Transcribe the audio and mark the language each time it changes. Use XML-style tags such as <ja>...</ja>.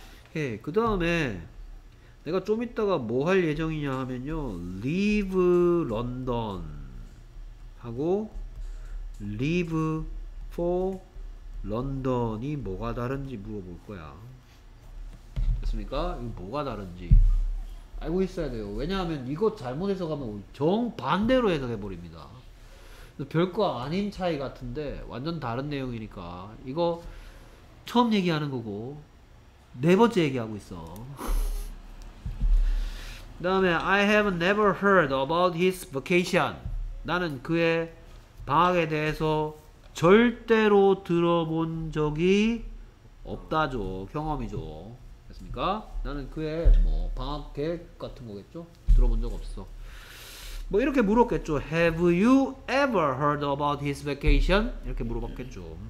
<ko>오케이. 그 다음에 내가 좀 이따가 뭐 할 예정이냐 하면요,</ko> <en>leave London</en> <ko>하고</ko> <en>leave for London</en> <ko>이 뭐가 다른지 물어볼 거야. 됐습니까? 이거 뭐가 다른지. 아 알고 있어야 돼요. 왜냐하면 이거 잘못 해석하면 정반대로 해석해버립니다. 별거 아닌 차이 같은데 완전 다른 내용이니까 이거 처음 얘기하는 거고 네 번째 얘기하고 있어. 그 다음에</ko> <en>I have never heard about his vacation.</en> <ko>나는 그의 방학에 대해서 절대로 들어본 적이 없다죠. 경험이죠. 됐습니까? 나는 그의 뭐 방학 계획 같은 거겠죠? 들어본 적 없어. 뭐 이렇게 물었겠죠.</ko> <en>Have you ever heard about his vacation?</en> <ko>이렇게 물어봤겠죠.</ko>